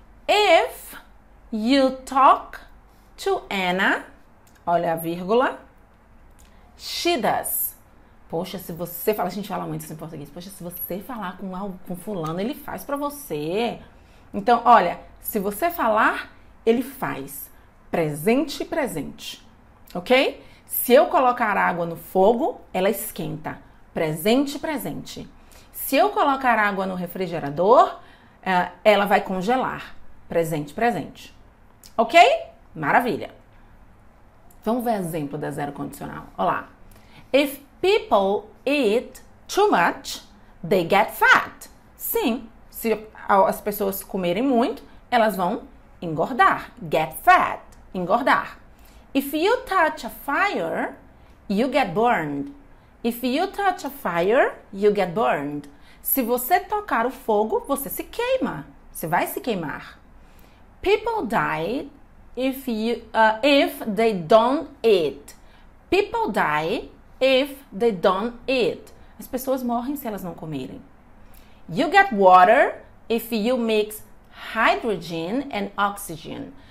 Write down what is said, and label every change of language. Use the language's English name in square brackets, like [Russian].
[English] If you talk to Anna, [Portuguese] olha a vírgula, [English] she does. [Portuguese] Poxa, se você fala, a gente fala muito isso em português. Poxa, se você falar com fulano, ele faz pra você. Então, olha, se você falar, ele faz. Presente e presente. Ok? Se eu colocar água no fogo, ela esquenta. Presente e presente. Se eu colocar água no refrigerador, ela vai congelar. Presente, presente. Ok? Maravilha. Vamos ver exemplo da zero condicional. Olha lá. [English] If people eat too much, they get fat. [Portuguese] Sim, Se as pessoas comerem muito, elas vão engordar. [English] Get fat. Engordar. If you touch a fire, you get burned. If you touch a fire, you get burned. [Portuguese] Se você tocar o fogo, você se queima. Você vai se queimar. [English] People die if they don't eat. People die if they don't eat. [Portuguese] As pessoas morrem se elas não comerem. [English] You get water if you mix hydrogen and oxygen.